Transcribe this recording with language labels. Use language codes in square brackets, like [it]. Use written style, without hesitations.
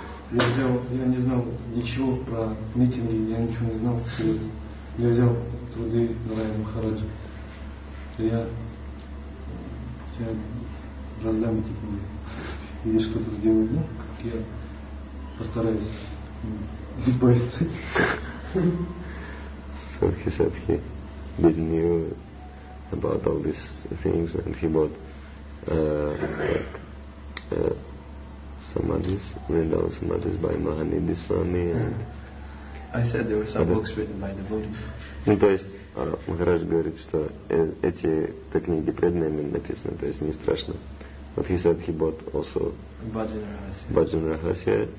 [ru] Я не знал ничего про митинги, я ничего не знал, серьезно. Я взял труды Нараяна Махараджа. Я раздам эти книги. Или что-то сделаю, ну, как я постараюсь избавиться. [en] So he said he didn't know about all these things and he bought like samadhis, Vrindavan samadhis by Mahanindi Swami. I said there were some books written by devotees. [ru] Ну, то есть, Махарадж говорит, что эти книги преданными написаны, то есть не страшно. [en] But he said he bought also Bhajan Rahasya.